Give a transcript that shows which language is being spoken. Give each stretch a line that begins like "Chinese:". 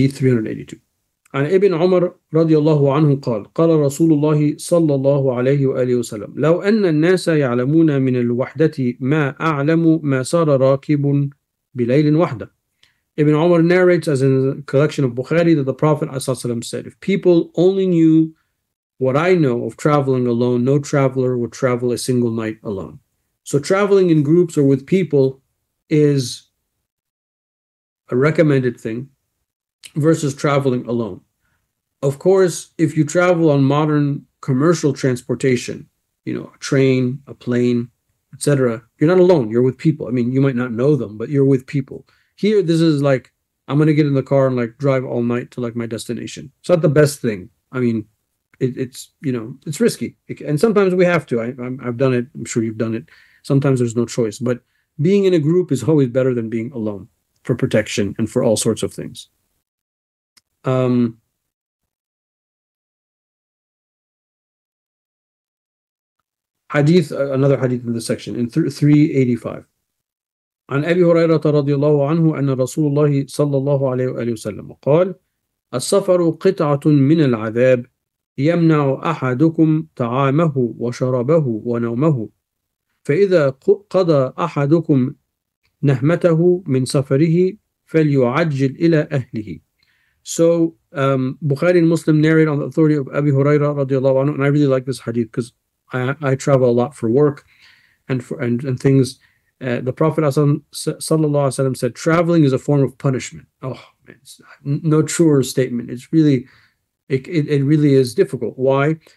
English: Hadith 382.
Arabic: عن ابن عمر رضي الله عنه قال قال رسول الله صلى الله عليه وآله وسلم لو أن الناس يعلمون من الوحدة ما أعلم ما صار راكب بليل وحدة.
English: Ibn Umar narrates as in a collection of Bukhari that the Prophet ﷺ said, if people only knew what I know of traveling alone, no traveler would travel a single night alone. So traveling in groups or with people is a recommended thing versus traveling alone. Of course, if you travel on modern commercial transportation, you know, a train, a plane, etc., you're not alone, you're with people. I mean, you might not know them, but you're with people. Here, this is like, I'm going to get in the car and like drive all night to like my destination. It's not the best thing. I mean, it's, you know, it's risky. And sometimes we have to. I've done it. I'm sure you've done it. Sometimes there's no choice. But being in a group is always better than being alone for protection and for all sorts of things. Hadith, another hadith in this section, in 385.
Arabic: عن أبي هريرة رضي الله عنه أن رسول الله صلى الله عليه وسلم قال السفر قطعة من العذاب يمنع أحدكم طعامه وشرابه ونومه فإذا قضى أحدكم نهمته من سفره فليعجل إلى أهله.
English: So Bukhari and Muslim narrate on the authority of Abi Huraira
Arabic: رضي الله عنه,
English: and I really like this hadith because I travel a lot for work and things. The Prophet ﷺ said, traveling is a form of punishment. Oh, man, it's no truer statement. It's really, it really is difficult. Why?